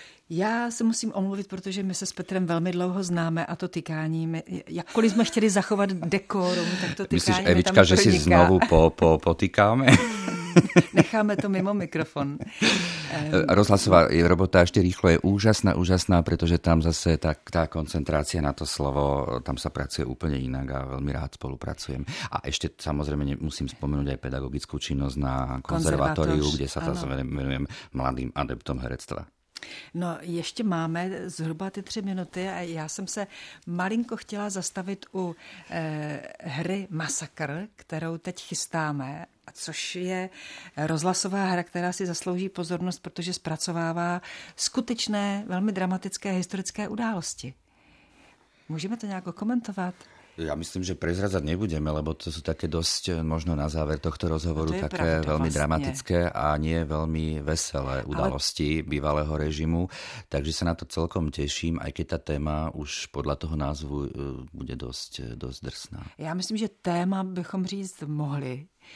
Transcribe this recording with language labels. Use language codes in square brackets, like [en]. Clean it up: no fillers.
[cs] Já se musím omluvit, protože my se s Petrem velmi dlouho známe a to tykání, my, jakkoliv jsme chtěli zachovat dekorum, tak to tykání. Myslíš, Evička, že si znovu potýkáme? Necháme to mimo mikrofon. [sk] Rozhlasová robota ešte rýchlo je úžasná, úžasná, pretože tam zase tá koncentrácia na to slovo, tam sa pracuje úplne inak a veľmi rád spolupracujem. A ešte samozrejme musím spomenúť aj pedagogickú činnosť na konzervatóriu, kde sa venujem mladým adeptom herectva. [cs] No, ještě máme zhruba ty 3 minuty a já jsem se malinko chtěla zastavit u hry Masakr, kterou teď chystáme, což je rozhlasová hra, která si zaslouží pozornost, protože zpracovává skutečné, velmi dramatické historické události. Můžeme to nějak komentovat? [sk] Ja myslím, že prezrazať nebudeme, lebo to sú také dosť možno na záver tohto rozhovoru to také pravda, veľmi vlastne dramatické a nie veľmi veselé udalosti bývalého režimu. Takže sa na to celkom teším, aj keď tá téma už podľa toho názvu bude dosť drsná. Ja myslím, [cs] že téma bychom říct mohli.